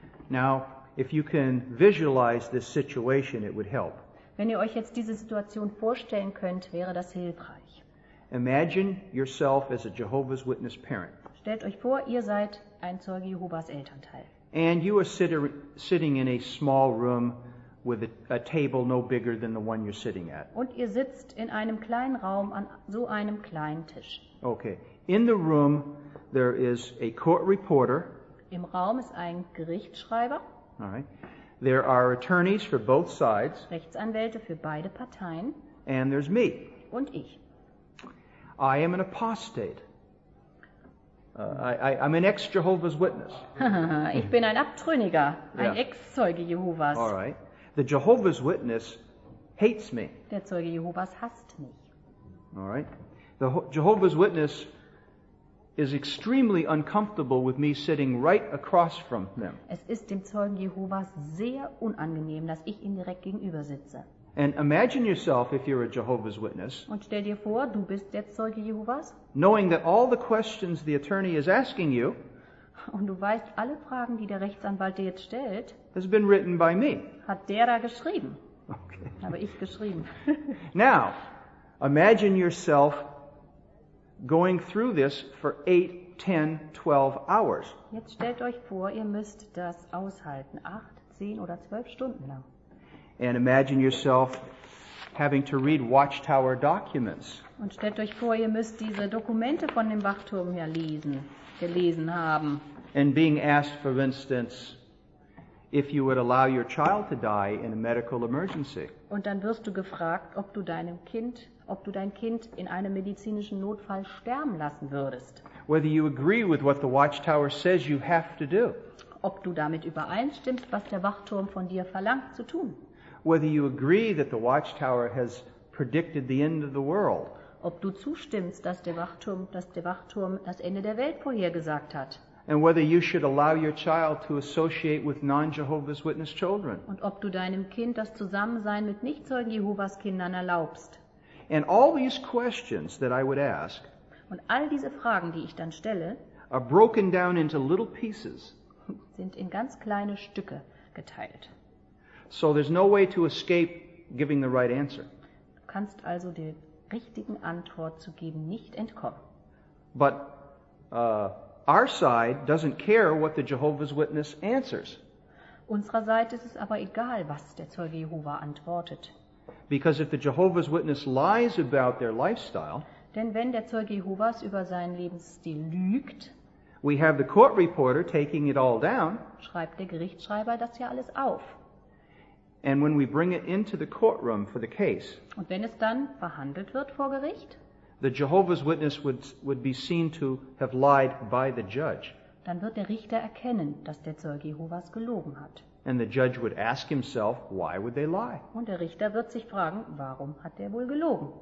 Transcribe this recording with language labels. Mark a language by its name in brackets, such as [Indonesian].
[English] Now, if you can visualize this situation, it would help. [German] Wenn ihr euch jetzt diese Situation vorstellen könnt, wäre das hilfreich. [English] Imagine yourself as a Jehovah's Witness parent. [German] Stellt euch vor, ihr seid ein Zeuge Jehovas Elternteil. [English] And you are sitting in a small room with a table no bigger than the one you're sitting at. [German] Und ihr sitzt in einem kleinen Raum an so einem kleinen Tisch. [English] Okay. In the room there is a court reporter. [German] Im Raum ist ein Gerichtsschreiber. [English] All right. There are attorneys for both sides. [German] Rechtsanwälte für beide Parteien. [English] And there's me. [German] Und ich. [English] I am an apostate. I'm an ex-Jehovah's Witness. [German] Ich bin ein Abtrünniger, ein Ex-Zeuge Jehovas. [English] All right. The Jehovah's Witness hates me. [German] Der Zeuge Jehovas hasst mich. [English] All right. The Jehovah's Witness is extremely uncomfortable with me sitting right across from them. [German] Es ist dem Zeugen Jehovas sehr unangenehm, dass ich ihm direkt gegenüber sitze. [English] And imagine yourself if you're a Jehovah's Witness. [German] Und stell dir vor, du bist der Zeuge Jehovas. [English] Knowing that all the questions the attorney is asking you. [German] Und du weißt, alle Fragen, die der Rechtsanwalt dir jetzt stellt, [English] has been written by me. [German] Hat der da geschrieben. [English] Okay. [German] Habe ich geschrieben. [English] Now, imagine yourself going through this for 8, 10, 12 hours. [German] Jetzt stellt euch vor, ihr müsst das aushalten, 8, 10 oder 12 Stunden lang. [English] And imagine yourself having to read Watchtower documents. [German] Und stellt euch vor, ihr müsst diese Dokumente von dem Wachturm hier gelesen haben. [English] And being asked, for instance, if you would allow your child to die in a medical emergency. [German] Und dann wirst du gefragt, ob du dein Kind in einem medizinischen Notfall sterben lassen würdest. [English] Whether you agree with what the Watchtower says you have to do. [German] Ob du damit übereinstimmst, was der Wachturm von dir verlangt zu tun. [English] Whether you agree that the Watchtower has predicted the end of the world. [German] Ob du zustimmst, dass der Wachturm das Ende der Welt vorhergesagt hat. [English] And whether you should allow your child to associate with non-Jehovah's Witness children. [German] Und ob du deinem Kind das Zusammensein mit Nichtzeugen Jehovas Kindern erlaubst. [English] And all these questions that I would ask. [German] Und all diese Fragen, die ich dann stelle, [English] are broken down into little pieces. [German] Sind in ganz kleine Stücke geteilt. [English] So there's no way to escape giving the right answer. [German] Du kannst also der richtigen Antwort zu geben nicht entkommen. [English] But our side doesn't care what the Jehovah's Witness answers. [German] Unserer Seite ist es aber egal, was der Zeuge Jehova antwortet. [English] Because if the Jehovah's Witness lies about their lifestyle, [German] denn wenn der Zeuge Jehovas über seinen Lebensstil lügt, [English] we have the court reporter taking it all down, [German] schreibt der Gerichtsschreiber das ja alles auf. [English] And when we bring it into the courtroom for the case, [German] und wenn es dann verhandelt wird vor Gericht, [English] the Jehovah's Witness would be seen to have lied by the judge. [German] Dann wird der Richter erkennen, dass der Zeuge Jehovas gelogen hat. [English] And the judge would ask himself, why would they lie? [German] Und der Richter wird sich fragen, warum hat er wohl gelogen?